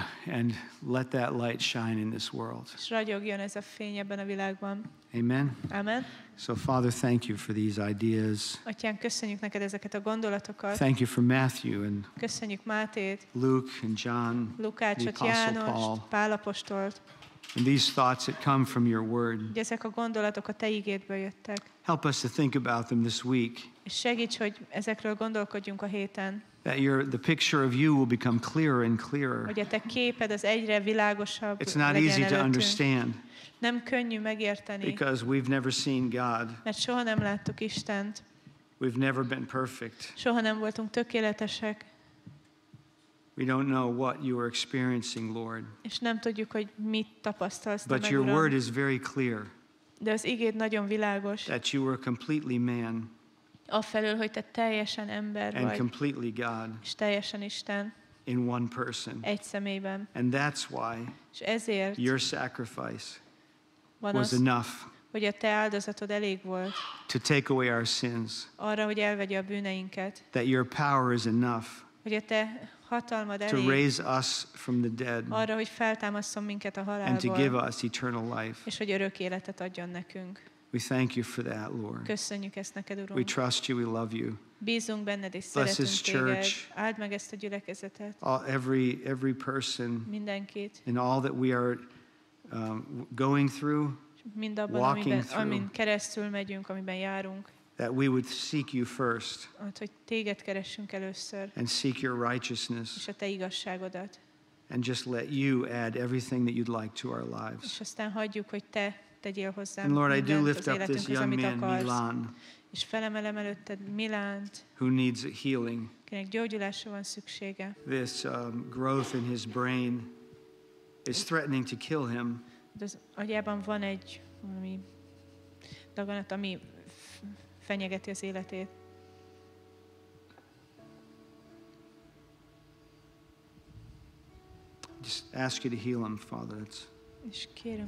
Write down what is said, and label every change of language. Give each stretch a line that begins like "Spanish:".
English: And let that light shine in this world.
Hungarian: És ragyogjon ez a fény ebben a világban.
English: Amen.
Hungarian: Amen.
English: So Father, thank you for these ideas.
Hungarian: Atyán, köszönjük neked ezeket a gondolatokat.
English: Thank you for Matthew and
Hungarian: köszönjük Mátét,
English: Luke and John,
Hungarian: Lukács,
English: the Apostle
Hungarian: Paul, Pál apostolt.
English: And these thoughts that come from your word.
Hungarian: Ezek a gondolatok a te ígédből jöttek.
English: Help us to think about them this week.
Hungarian: És segíts, hogy ezekről gondolkodjunk a héten.
English: That the picture of you will become clearer and clearer.
Hungarian: Hogy a te képed az egyre világosabb.
English: It's not easy to understand.
Hungarian: Nem könnyű megérteni.
English: Because we've never seen God.
Hungarian: Mert soha nem láttuk Istent.
English: We've never been perfect.
Hungarian: Soha nem voltunk tökéletesek.
English: We don't know what you are experiencing, Lord.
Hungarian: És nem tudjuk, hogy mit tapasztalsz te meg, Uram.
English: But your word is very clear.
Hungarian: De az igéd nagyon világos.
English: That you were completely man.
Hungarian: Afelől, hogy te teljesen ember
English: and
Hungarian: vagy.
English: Completely God.
Hungarian: És teljesen Isten.
English: In one person.
Hungarian: Egy személyben.
English: And that's why.
Hungarian: És ezért.
English: Your sacrifice. Was enough.
Hungarian: Hogy a te áldozatod elég volt.
English: To take away our sins.
Hungarian: Arra, hogy elvegye a bűneinket.
English: That your power is enough.
Hungarian: Hogy a te hatalmad elég.
English: To raise us from the dead.
Hungarian: Arra, hogy feltámasszon minket a halálból.
English: And to give us eternal life.
Hungarian: És hogy örök életet adjon nekünk.
English: We thank you for that, Lord.
Hungarian: Köszönjük ezt neked, Urunk.
English: We trust you. We love you.
Hungarian: Bízunk benned, és
English: bless this church.
Hungarian: Áld meg ezt a gyülekezetet.
English: Every person.
Hungarian: Mindenkit.
English: In all that we are. going through,
Hungarian: mindabban,
English: walking
Hungarian: amin keresztül megyünk, amiben járunk,
English: that we would seek you first,
Hungarian: hogy téged keressünk először,
English: and seek your righteousness,
Hungarian: és a te igazságodat,
English: and just let you add everything that you'd like to our lives.
Hungarian: És aztán hagyjuk, hogy te tegyél hozzá.
English: And Lord, I do lift up this young man, Milan,
Hungarian: és felemelem előtted Milánt,
English: who needs a healing,
Hungarian: kinek gyógyulásra van szüksége.
English: This growth in his brain is threatening to kill him.
Hungarian: Az agyában van egy ami daganat, ami fenyegeti az életét.
English: Just ask you to heal him, Father. That's,
Hungarian: és kérünk,